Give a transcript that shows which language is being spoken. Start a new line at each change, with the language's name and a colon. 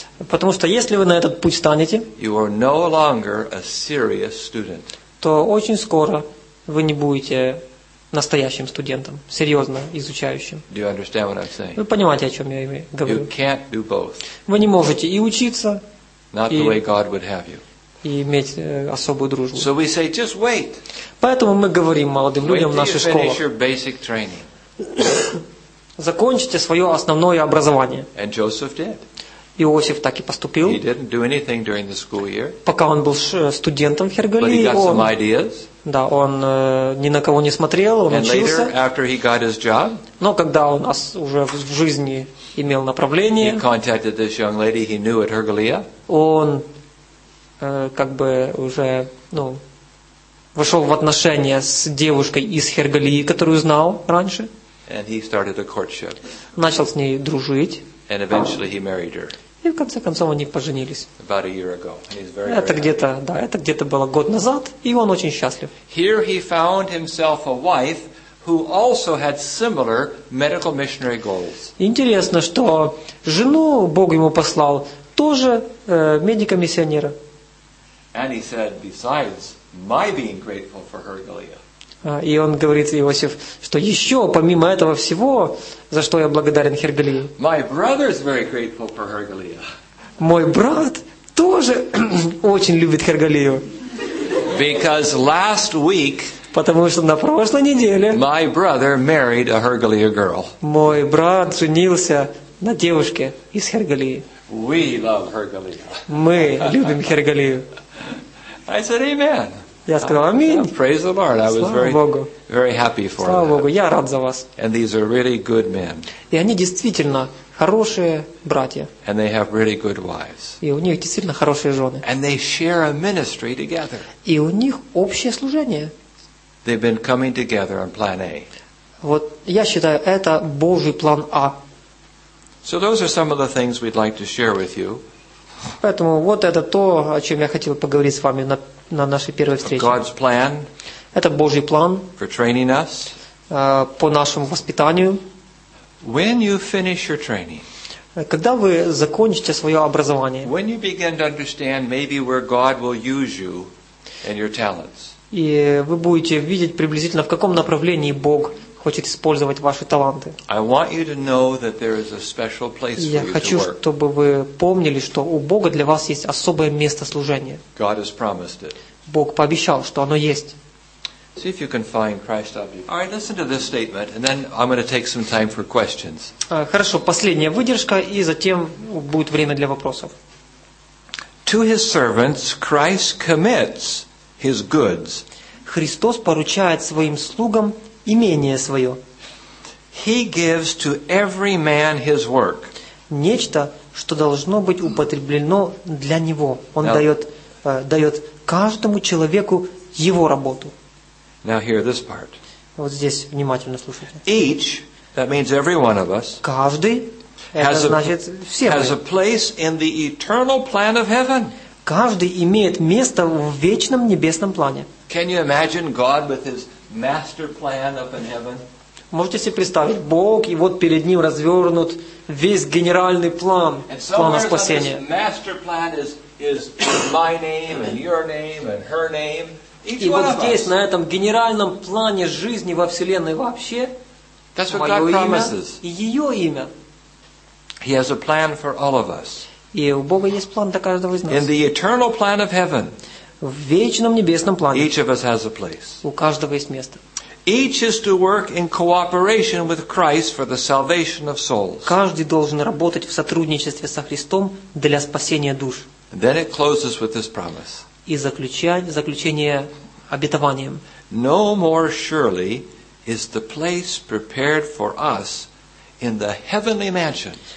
Russian: потому что если вы на этот путь станете,
English: you are no longer a serious student.
Russian: То очень скоро вы не будете настоящим студентом, серьезно изучающим.
English: Do you understand what I'm saying?
Russian: Вы понимаете, о чем я говорю?
English: You can't do both.
Russian: Вы не можете и учиться,
English: not the way God would have you.
Russian: И иметь особую дружбу.
English: So we say, just wait.
Russian: Поэтому мы говорим молодым людям в нашей школе:
English: finish your basic training.
Russian: Закончите свое основное образование.
English: And Joseph did.
Russian: Иосиф так и поступил.
English: He didn't do anything during the school year.
Russian: Пока он был студентом в Хергалии,
English: but he got some ideas.
Russian: Да, он ни на кого не смотрел, он учился.
English: And later, after he got his job,
Russian: но когда он уже в жизни имел направление,
English: he contacted this young lady he knew at Hergalia.
Russian: Он как бы уже, ну, вошел в отношения с девушкой из Хергалии, которую знал раньше.
English: And he started a courtship.
Russian: Начал с ней дружить.
English: And eventually he married her.
Russian: И в конце концов они поженились.
English: About a year ago. And he's very,
Russian: это где-то, да, это где-то было год назад, и он очень счастлив.
English: Here he found himself a wife who also had similar medical missionary goals.
Russian: Интересно, что жену Бог ему послал тоже медика-миссионера.
English: And he said, besides my being grateful for Hergalia.
Russian: И он говорит, Иосиф, что еще помимо этого всего, за что я благодарен Хергалии.
English: My brother is very grateful for Hergalia.
Russian: Мой брат тоже очень любит Хергалию.
English: Because last week
Russian: Потому что на прошлой неделе
English: my brother married a Herghalia girl.
Russian: Мой брат женился на девушке из Хергалии.
English: We love Herghalia.
Russian: Мы любим Хергалию.
English: I said amen.
Russian: Я сказал аминь.
English: Praise the Lord. I was very, very happy for
Russian: Слава Богу, я рад за вас.
English: And these are really good men.
Russian: И они действительно хорошие братья.
English: And they have really good wives.
Russian: И у них действительно хорошие жены.
English: And they share a ministry together.
Russian: И у них общее служение.
English: They've been coming together on plan A.
Russian: Вот я считаю, это Божий план А.
English: So those are some of the things we'd like to share with you.
Russian: Поэтому вот это то, о чем я хотел поговорить с вами на нашей первой встрече.
English: God's plan.
Russian: Это Божий план.
English: For training us.
Russian: По нашему воспитанию.
English: When you finish your training.
Russian: Когда вы закончите свое образование.
English: When you begin to understand maybe where God will use you and your talents.
Russian: И вы будете видеть приблизительно в каком направлении Бог хочет использовать ваши таланты.
English: I want you to know that there is a special place for you to work.
Russian: Я хочу, чтобы вы помнили, что у Бога для вас есть особое место служения.
English: God has promised it.
Russian: Бог пообещал, что оно есть.
English: See if you can find Christ up. All right, listen to this statement, and then I'm going to take some time for questions.
Russian: Хорошо, последняя выдержка, и затем будет время для вопросов.
English: To his servants, Christ commits his goods.
Russian: Христос поручает своим слугам имение свое.
English: He gives to every man his work.
Russian: Нечто, что должно быть употреблено для него. Он дает каждому человеку его работу.
English: Now hear this part.
Russian: Вот здесь внимательно слушайте.
English: Each, that means every one of us,
Russian: каждый, это значит все мы,
English: has a place in the eternal plan of heaven.
Russian: Каждый имеет место в вечном небесном плане.
English: Can you imagine God with his master plan up in heaven?
Russian: Можете себе представить, Бог, и вот перед ним развернут весь генеральный план, плана спасения.
English: And somewhere on this master plan is my name and your name and her name.
Russian: И вот здесь, на этом генеральном плане жизни во Вселенной вообще, мое имя и ее имя.
English: He has a plan for all of us.
Russian: И у Бога есть план для каждого из нас.
English: In the eternal plan of heaven,
Russian: в вечном небесном плане,
English: each of us has a place.
Russian: У каждого есть место.
English: Each is to work in cooperation with Christ for the salvation of souls.
Russian: Каждый должен работать в сотрудничестве со Христом для спасения душ.
English: Then it closes with this promise.
Russian: И заключение обетованием.
English: No more surely is the place prepared for us in the heavenly mansion.